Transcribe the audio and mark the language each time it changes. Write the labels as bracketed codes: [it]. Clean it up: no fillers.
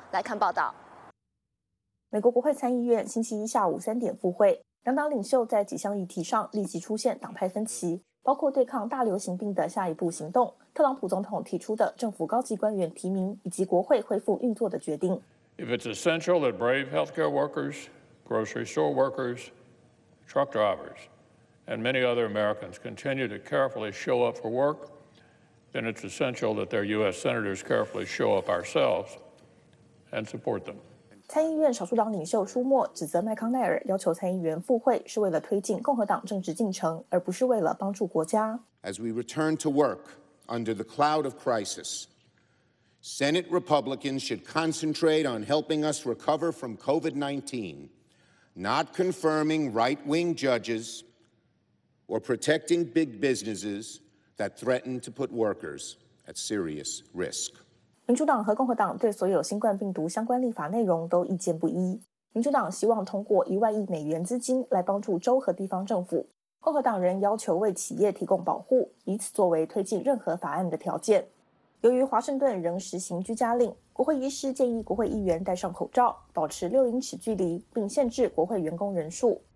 [zh] 来看报道。美国国会参议院星期一下午3点复会，两党领袖在几项议题上立即出现党派分歧，包括对抗大流行病的下一步行动、特朗普总统提出的政府高级官员提名以及国会恢复运作的决定。 [en] If it's essential that brave healthcare workers, grocery store workers, truck drivers, and many other Americans continue to carefully show up for work, then it's essential that their U.S. senators carefully show up ourselves and support them. [zh] 参议院少数党领袖舒默指责麦康奈尔要求参议员复会是为了推进共和党政治进程，而不是为了帮助国家。 [en] As we return to work under the cloud of crisis,Senate Republicans should concentrate on helping us recover from COVID-19, not confirming right-wing judges or protecting big businesses that threaten to put workers at serious risk. [zh] 民主党和共和党对所有新冠病毒相关立法内容都意见不一。民主党希望通过$10,000,000资金来帮助州和地方政府。共和党人要求为企业提供保护，以此作为推进任何法案的条件。由于华盛顿仍实行居家令，国会医师建议国会议员戴上口罩，保持6英尺距离，并限制国会员工人数。